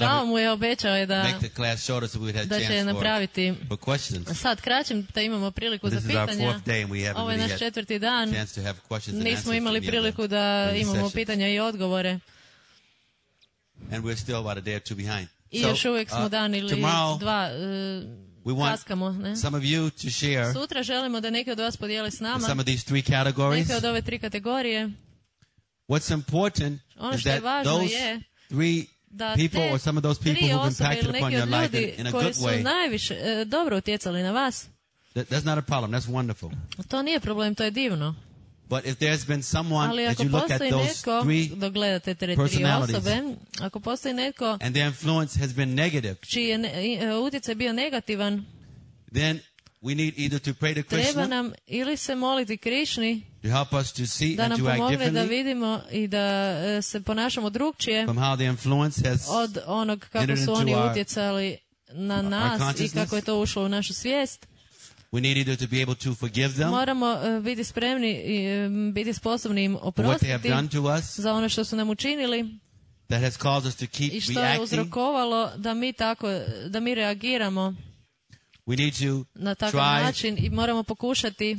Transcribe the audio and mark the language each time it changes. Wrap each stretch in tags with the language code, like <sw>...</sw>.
<en>I would make the class shorter so we would have chance for questions.</en> <hr>Sad kraćim da imamo priliku za pitanja.</hr> <en>This is our fourth day and we haven't really had a chance to have questions and answers yet.</en> <hr>Nismo imali priliku da imamo pitanja i odgovore.</hr> <en>And we're still about a day or two behind.</en> <hr>I još uvijek smo dan ili dva.</hr> <en>We want</en> <hr>kaskamo, ne?</hr> <en>Some of you to share.</en> <hr>Sutra želimo da neki od vas podijele s nama.</hr> <en>Some of these three categories.</en> <hr>Neke od ove tri kategorije.</hr> <en>What's important is that those three people or some of those people who've impacted upon your life in a good way.</en> <hr>Najviše, dobro utjecali na vas.</hr> <en>That's not a problem. That's wonderful.</en> <hr>To nije problem, to je divno.</hr> <en>But if there's been someone,</en> <hr>ali</hr> <en>as you look at those</en> <hr>netko,</hr> <en>three</en> <hr>personalities, osobe, ako postoji netko,</hr> <en>and their influence has been negative,</en> <hr>čiji je utjecaj bio negativan,</hr> <en>then we need either to pray to Krishna,</en> <hr>treba nam ili se moliti Krišni,</hr> <en>to help us to see</en> <hr>da</hr> <en>and to act differently,</en> <hr>da vidimo i da se ponašamo drugčije,</hr> <en>from how the influence has</en> <hr>od onog kako su oni utjecali na nas i kako je to ušlo u našu svijest.</hr> <en>We need either to be able to forgive them,</en> <hr>moramo biti spremni i biti sposobni im oprostiti za ono što su nam učinili,</hr> <en>that has caused us to keep reacting,</en> <hr>i što je uzrokovalo da mi tako, da mi reagiramo.</hr> <en>We need to</en> <hr>na takav način i moramo pokušati</hr>